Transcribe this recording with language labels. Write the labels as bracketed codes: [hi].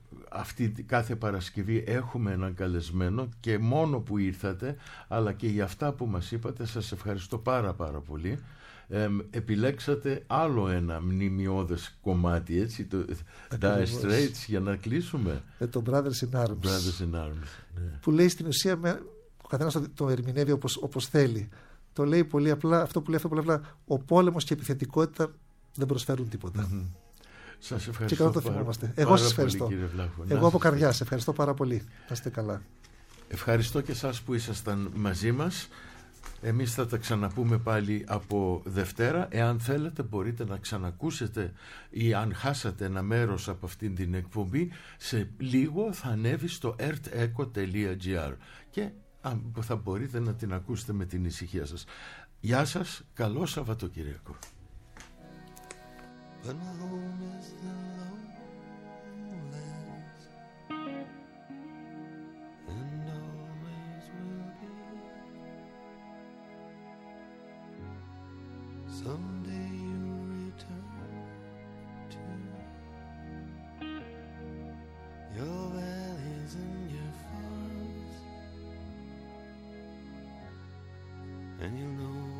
[el] αυτή κάθε Παρασκευή έχουμε έναν καλεσμένο και μόνο που ήρθατε αλλά και για αυτά που μας είπατε σας ευχαριστώ πάρα πάρα πολύ. Επιλέξατε άλλο ένα μνημειώδες κομμάτι, έτσι, το Dire Straits, για να κλείσουμε με το Brothers in Arms, Brothers in Arms, ναι. Που λέει στην ουσία ο καθένας το ερμηνεύει όπως θέλει, το λέει πολύ απλά, αυτό που λέει αυτό πολύ απλά, ο πόλεμος και η επιθετικότητα δεν προσφέρουν τίποτα. Σας ευχαριστώ. Και καλά το θυμόμαστε. Εγώ σας ευχαριστώ. Πολύ, κύριε Βλάχο. Εγώ από καρδιάς. Ευχαριστώ πάρα πολύ. Να είστε καλά. Ευχαριστώ και εσάς που ήσασταν μαζί μας. Εμείς θα τα ξαναπούμε πάλι από Δευτέρα. Εάν θέλετε μπορείτε να ξανακούσετε ή αν χάσατε ένα μέρος από αυτήν την εκπομπή, σε λίγο θα ανέβει στο earthecho.gr και θα μπορείτε να την ακούσετε με την ησυχία σας. Γεια σας. Καλό Σαββατοκυριακό. [en] But my home is the lowlands, and always will be. Someday you'll return to your valleys and your farms, and you'll know.